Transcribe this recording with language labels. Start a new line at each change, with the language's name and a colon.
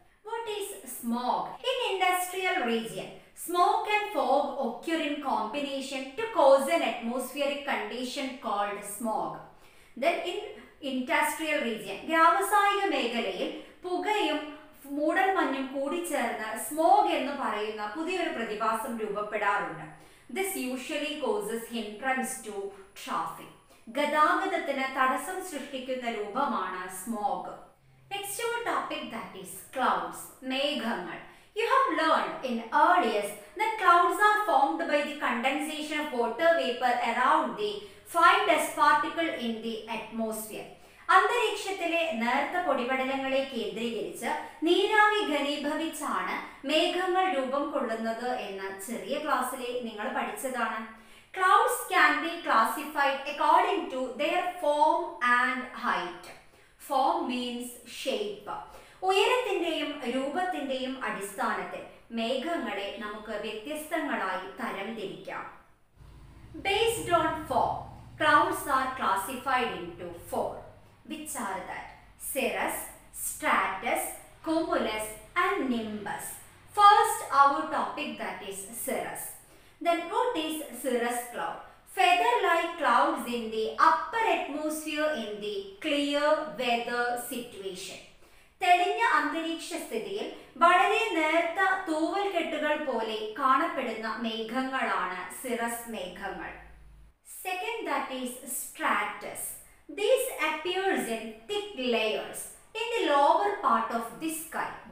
English: What is smog? In industrial region, smog and fog occur in combination to cause an atmospheric condition called smog. Then in industrial region,
Malayalam: വ്യാവസായിക മേഖലയിൽ പുകയും മൂടൽമഞ്ഞും കൂടിച്ചേർന്ന് smog എന്ന് പറയുന്ന പുതിയൊരു പ്രതിഭാസം രൂപപ്പെടാറുണ്ട്.
English: This usually causes hindrance to traffic.
Malayalam: ഗതാഗതത്തിനെ തടസ്സം സൃഷ്ടിക്കുന്ന രൂപമാണ് smog.
English: Next one topic, that is clouds, മേഘങ്ങൾ. You have learned in earlier that clouds are formed by the condensation of water vapor around the fine dust particle in the atmosphere.
Malayalam: അന്തരീക്ഷത്തിലെ നേർത്ത പൊടിപടലങ്ങളെ കേന്ദ്രീകരിച്ച് നീരാവി ഘനീഭവിച്ചാണ് മേഘങ്ങൾ രൂപം കൊള്ളുന്നത് എന്ന് ചെറിയ ക്ലാസ്സിൽ നിങ്ങൾ പഠിച്ചതാണ്.
English: Clouds can be classified according to their form and height. Form means shape.
Malayalam: ഉയരത്തിൻ്റെയും രൂപത്തിൻ്റെയും അടിസ്ഥാനത്തിൽ മേഘങ്ങളെ നമുക്ക് വ്യത്യസ്തങ്ങളായി തരംതിരിക്കാം.
English: Based on form, clouds are classified into four. Which are that? Cirrus, stratus, cumulus and nimbus. First our topic, that is cirrus. Then what is cirrus cloud? Feather like clouds in the upper atmosphere in the clear weather situation.
Malayalam: തെളിഞ്ഞ അന്തരീക്ഷ സ്ഥിതിയിൽ വളരെ നേർത്ത തൂവൽ കെട്ടുകൾ പോലെ കാണപ്പെടുന്ന മേഘങ്ങളാണ് cirrus മേഘങ്ങൾ.
English: Second, that is stratus. These appears in thick layers in the lower part of the sky.